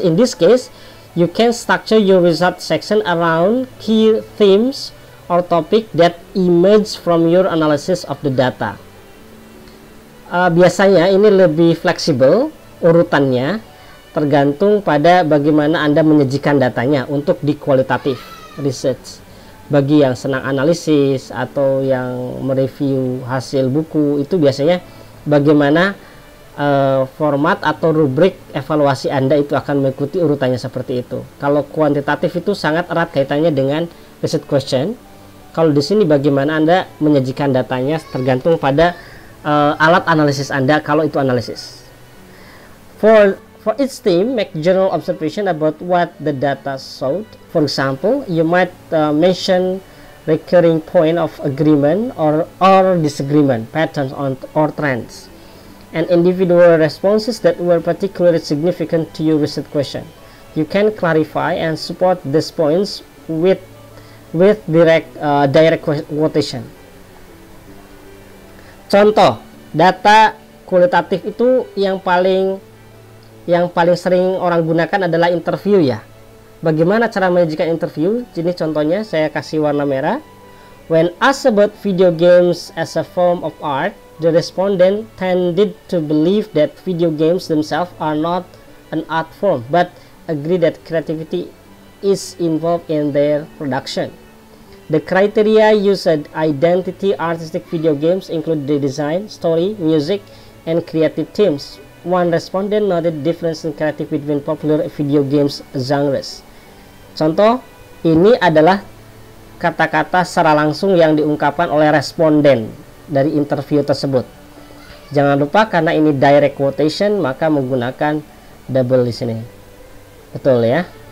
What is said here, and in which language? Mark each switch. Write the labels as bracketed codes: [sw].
[en] In this case, you can structure your result section around key themes or topic that emerge from your analysis of the data. [id] Biasanya ini lebih fleksibel urutannya, tergantung pada bagaimana Anda menyajikan datanya untuk di qualitative research. Bagi yang senang analisis atau yang mereview hasil buku, itu biasanya bagaimana format atau rubrik evaluasi Anda itu akan mengikuti urutannya seperti itu. Kalau kuantitatif itu sangat erat kaitannya dengan research question. Kalau di sini bagaimana Anda menyajikan datanya tergantung pada alat analisis Anda kalau itu analisis. [en] For each theme, make general observation about what the data showed. For example, you might mention recurring point of agreement or disagreement, patterns or trends, and individual responses that were particularly significant to your research question. You can clarify and support these points with direct quotation. [id] Contoh data kualitatif itu yang paling sering orang gunakan adalah interview ya. Bagaimana cara menyajikan interview? Ini contohnya saya kasih warna merah. [en] When asked about video games as a form of art, the respondent tended to believe that video games themselves are not an art form, but agree that creativity is involved in their production. The criteria used identity artistic video games include the design, story, music, and creative themes. One respondent noted difference in creative between popular video games genres. [id] Contoh, ini adalah kata-kata secara langsung yang diungkapkan oleh responden dari interview tersebut. Jangan lupa karena ini direct quotation, maka menggunakan double listening. Betul ya?